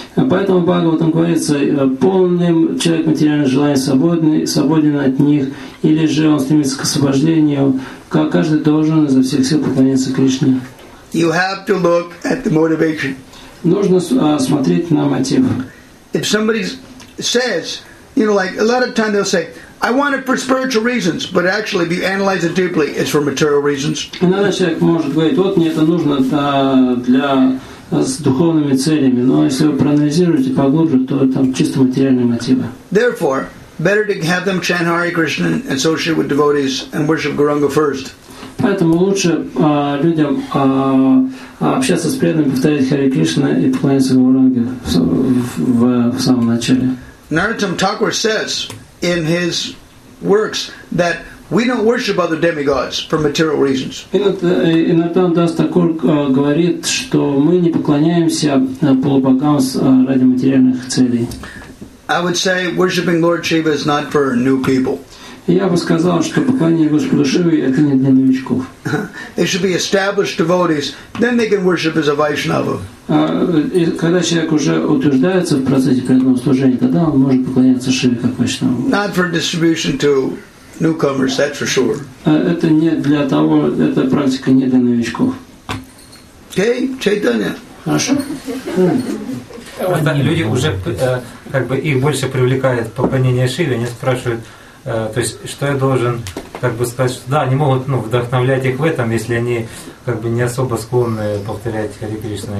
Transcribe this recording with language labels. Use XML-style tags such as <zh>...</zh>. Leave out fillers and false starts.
<ru>Поэтому Бхагаватам говорится, полным человек материальное желание свободен от них, или же он стремится к освобождению, как каждый должен изо всех сил поклоняться Кришне.</ru> <en>You have to look at the motivation.</en> <ru>Нужно смотреть на мотив.</ru> <en>If somebody says, you know, like a lot of times they'll say, I want it for spiritual reasons, but actually, if you analyze it deeply, it's for material reasons.</en> <ru>Иногда человек может говорить, вот мне это нужно для с духовными целями, но если вы проанализируете поглубже, то там чисто материальные мотивы.</ru> <en>Therefore, better to have them chant Hare Krishna and associate with devotees and worship Gauranga first.</en> <ru>Поэтому лучше людям общаться с преданными, повторять Hare Krishna и поклоняться Гауранге в самом начале.</ru> <en>Narottam Thakur says in his works that we don't worship other demigods for material reasons.</en> <ru>Narottam Thakur говорит, что мы не поклоняемся полубогам ради материальных целей.</ru> <en>I would say worshiping Lord Shiva is not for new people.</en> <ru>Я бы сказал, что поклонение Господу Шиве это не для новичков.</ru> <en>They should be established devotees, then they can worship as a Vaishnava.</en> <ru>Когда человек уже утверждается в процессе преданного служения, тогда он может поклоняться Шиве как Вайшнаву.</ru> <en>Not for distribution to newcomers, that's for sure.</en> <ru>Это не для того, эта практика не для новичков.</ru> <en>Okay, Chaitanya.</en> <ru>Хорошо. Люди уже как бы их больше привлекает поклонение Шиве, они спрашивают, то есть что я должен как бы сказать, что да, они могут ну, вдохновлять их в этом, если они как бы не особо склонны повторять Хари Кришна.</ru>